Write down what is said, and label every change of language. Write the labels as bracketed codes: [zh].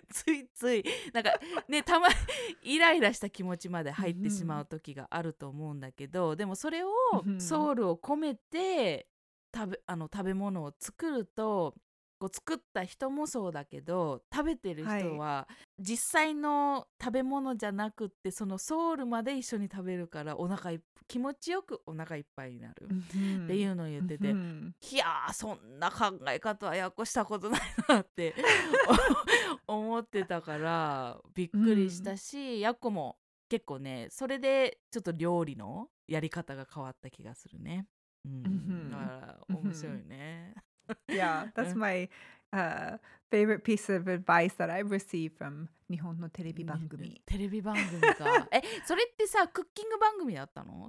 [ja] いつい、なんかね、たまにイライラした気持ちまで入ってしまう時があると思うんだけど、うん、でもそれをソウルを込めて、うん、食べ物を作ると、こう作った人もそうだけど、食べてる人は実際の食べ物じゃなくって、はい、そのソウルまで一緒に食べるから、気持ちよくお腹いっぱいになるっていうのを言ってて、いやー、そんな考え方はやっこしたことないなって思ってたからびっくりしたし、やっこも結構ね、それでちょっと料理のやり方が変わった気がするね、うん、だから面白いね [en] Yeah, that's my favorite piece of advice that I've received from [ja] 日本のテレビ番組。テレビ番組か。え、それってさ、クッキング番組だったの？